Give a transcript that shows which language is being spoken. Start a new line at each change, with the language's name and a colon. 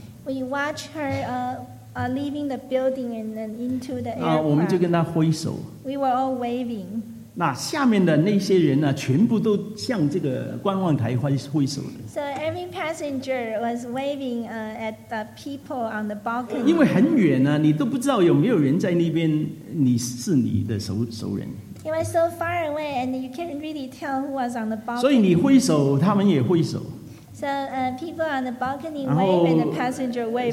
English: We watch her leaving the building and then into the aircraft.
Chinese: 那我们就跟她挥手。
English: We were all waving.
Chinese: 那下面的那些人全部都向这个观望台挥手的。
English: So every passenger was waving at the people on the balcony.
Chinese: 因为很远，你都不知道有没有人在那边，你是你的熟人。
English: It was so far away, and you can't really tell who was on the balcony.
Chinese: 所以你挥手，他们也挥手。
English: So people on the balcony wave, and the passenger waved.